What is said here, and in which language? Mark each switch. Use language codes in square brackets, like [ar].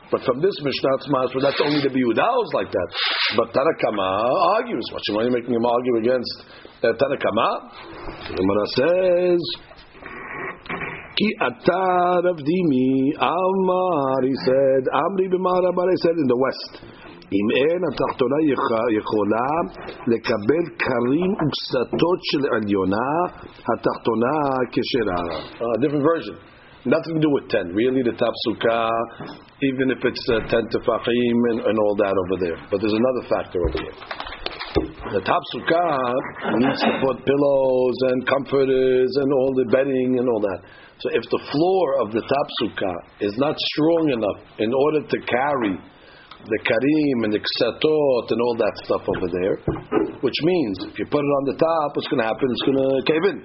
[en] But from this Mishnah, it's Masra, that's only the Yehuda was like that. But Tanakama argues. What Shmuel is making him argue against Tanakama? Gemara says, Ki atar of Dimi, Amar, he said, Amri b'mara, but I said in the West. [he] אם אין התחתונה יכולה לקבל קרים וקסתות של עליונה התחתונה כשרה. [en] Different version. Nothing to do with 10. Really the top sukkah, even if it's 10 tefachim and all that over there. But there's another factor over here. The top sukkah needs to put pillows and comforters and all the bedding and all that. So if the floor of the top sukkah is not strong enough in order to carry the Karim and the Ksatot and all that stuff over there, which means if you put it on the top, what's going to happen? It's going to cave in.